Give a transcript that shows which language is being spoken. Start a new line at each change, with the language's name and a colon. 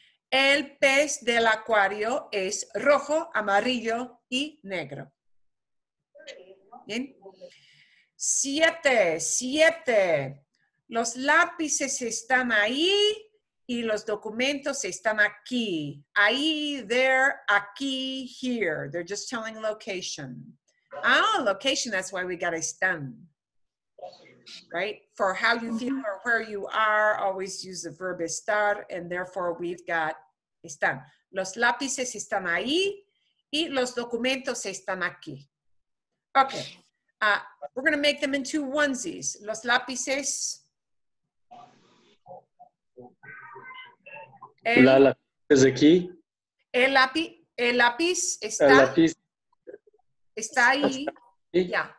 Spanish: El pez del acuario es rojo, amarillo y negro. Bien. Siete, siete. Los lápices están ahí y los documentos están aquí.
English: Ahí, there, aquí, here. They're just telling location. Ah, oh, location, that's why we got a stem, right? For how you feel or where you are, always use the verb estar, and therefore we've got están.
Spanish: Los lápices están ahí y los documentos están aquí.
English: Okay, we're going to make them into onesies.
Spanish: Los lápices.
English: Is aquí.
Spanish: El lápiz está. El lápiz. Está ahí. Yeah.